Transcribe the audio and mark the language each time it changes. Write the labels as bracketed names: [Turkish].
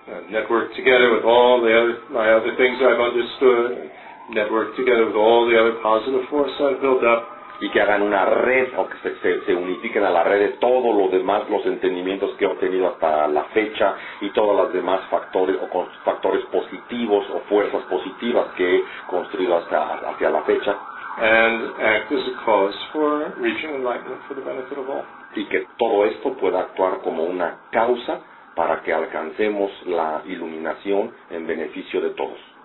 [English] network together with all the other, my other things I've understood, network together with all the other positive forces I've built up. [Spanish] Y que hagan una red, o que se unifiquen a la red de todos los demás, los entendimientos que he obtenido hasta la fecha, y todos los demás factores o factores positivos o fuerzas positivas que he construido hacia la fecha. [English] And act as a cause for reaching enlightenment for the benefit of all. [Spanish] Y que todo esto pueda actuar como una causa para que alcancemos la iluminación en beneficio de todos.